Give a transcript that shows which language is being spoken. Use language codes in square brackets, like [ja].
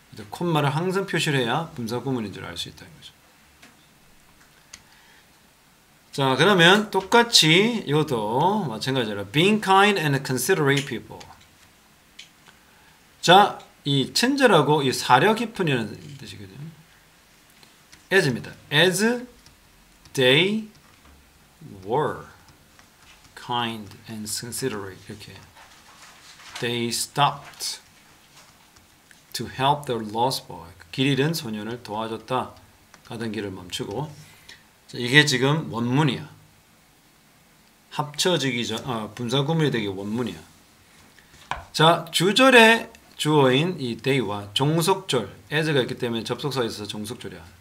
[ko] 콤마를 항상 표시를 해야 분사구문인 줄 알 수 있다는 거죠. 자, 그러면 똑같이 이것도 마찬가지로 [en] being kind and considerate people. [ko] 자, 이 친절하고 이 사려 깊은이라는 뜻이거든. as입니다. [en] as they were kind and considerate. [ko] 이렇게 [en] they stopped to help the lost boy. [ko] 길 잃은 소년을 도와줬다. 가던 길을 멈추고. 자, 이게 지금 원문이야. 합쳐지기 전 분사구문이 되기 원문이야. 자, 주절의 주어인 이 day와 종속절 as가 있기 때문에 접속사 있어서 종속절이야.